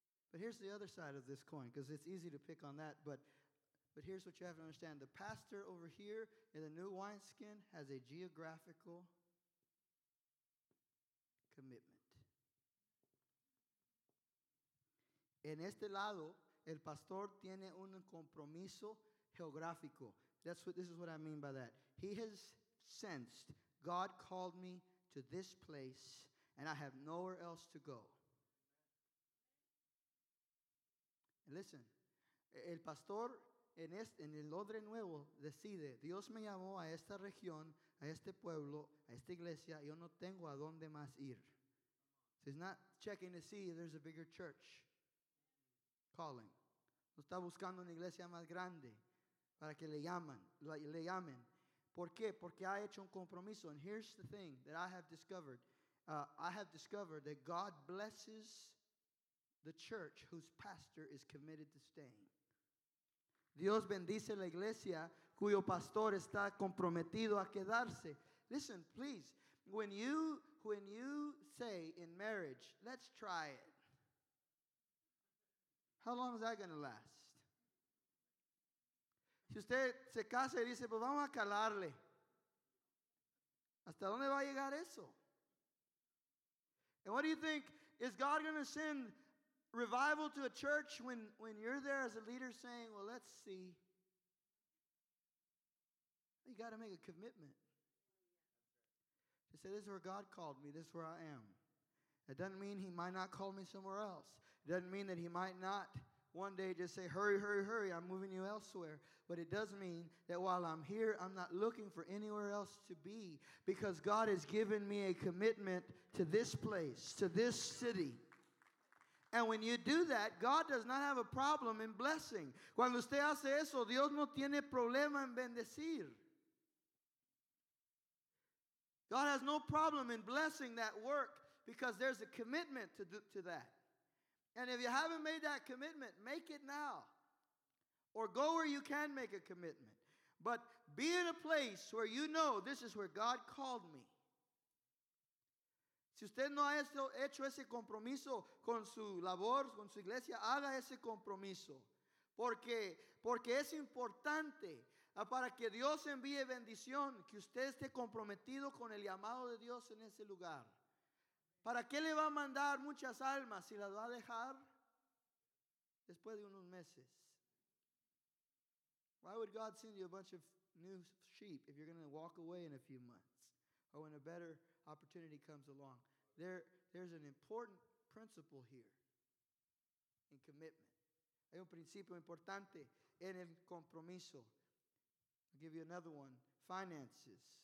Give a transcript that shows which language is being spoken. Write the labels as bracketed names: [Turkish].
[English] But here's the other side of this coin, because it's easy to pick on that. But here's what you have to understand. The pastor over here in the new wineskin has a geographical commitment. [Spanish] En este lado, el pastor tiene un compromiso geográfico. [English] This is what I mean by that. He has sensed God called me to this place, and I have nowhere else to go. Listen, [Spanish] el pastor en el odre nuevo decide, Dios me llamó a esta región, a este pueblo, a esta iglesia, yo no tengo a dónde más ir. [English] So he's not checking to see if there's a bigger church calling. [Spanish] No está buscando una iglesia más grande para que le llamen. ¿Por qué? Porque ha hecho un compromiso. [English] And here's the thing that I have discovered. I have discovered that God blesses the church whose pastor is committed to staying. [Spanish] Dios bendice la iglesia cuyo pastor está comprometido a quedarse. [English] Listen, please. When you say in marriage, let's try it. How long is that going to last? [Spanish] Si usted se casa y dice, pues vamos a calarle. ¿Hasta dónde va a llegar eso? [English] And what do you think? Is God going to send revival to a church when you're there as a leader saying, well, let's see. You got to make a commitment. To say, this is where God called me. This is where I am. It doesn't mean he might not call me somewhere else. It doesn't mean that he might not one day just say, hurry, hurry, hurry, I'm moving you elsewhere. But it does mean that while I'm here, I'm not looking for anywhere else to be, because God has given me a commitment to this place, to this city. And when you do that, God does not have a problem in blessing. [Spanish] Cuando usted hace eso, Dios no tiene problema en bendecir. [English] God has no problem in blessing that work, because there's a commitment to that. And if you haven't made that commitment, make it now. Or go where you can make a commitment. But be in a place where you know this is where God called me. [Spanish] Si usted no ha hecho ese compromiso con su labor, con su iglesia, haga ese compromiso. Porque es importante para que Dios envíe bendición, que usted esté comprometido con el llamado de Dios en ese lugar. ¿Para qué le va a mandar muchas almas si las va a dejar después de unos meses? [English] Why would God send you a bunch of new sheep if you're going to walk away in a few months? Or when a better opportunity comes along? There's an important principle here in commitment. [Spanish] Hay un principio importante en el compromiso. [English] I'll give you another one. Finances.